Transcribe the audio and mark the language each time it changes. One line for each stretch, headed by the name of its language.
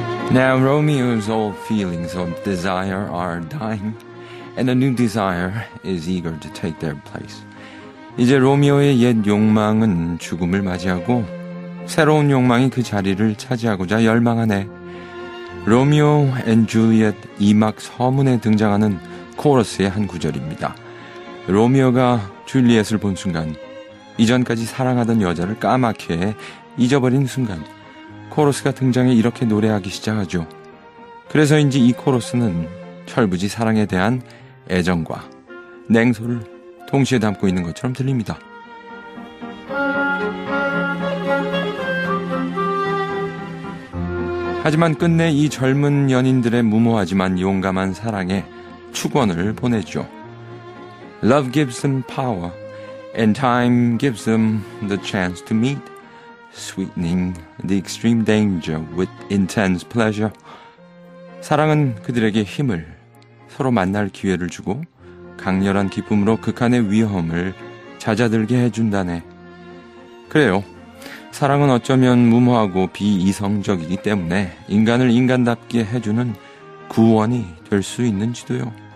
English: Now Romeo's old feelings of desire are dying, and a new desire is eager to take their place.
Korean: 이제 로미오의 옛 욕망은 죽음을 맞이하고 새로운 욕망이 그 자리를 차지하고자 열망하네. 로미오 앤 줄리엣 2막 서문에 등장하는 코러스의 한 구절입니다. 로미오가 줄리엣을 본 순간, 이전까지 사랑하던 여자를 까맣게 잊어버린 순간, 코러스가 등장해 이렇게 노래하기 시작하죠. 그래서인지 이 코러스는 철부지 사랑에 대한 애정과 냉소를 동시에 담고 있는 것처럼 들립니다. 하지만 끝내 이 젊은 연인들의 무모하지만 용감한 사랑에 축원을 보내죠.
English: Love gives them power, and time gives them the chance to meet, sweetening the extreme danger with intense pleasure.
Korean: 사랑은 그들에게 힘을, 서로 만날 기회를 주고 강렬한 기쁨으로 극한의 위험을 잦아들게 해준다네. 그래요. 사랑은 어쩌면 무모하고 비이성적이기 때문에 인간을 인간답게 해주는 구원이 될 수 있는지도요.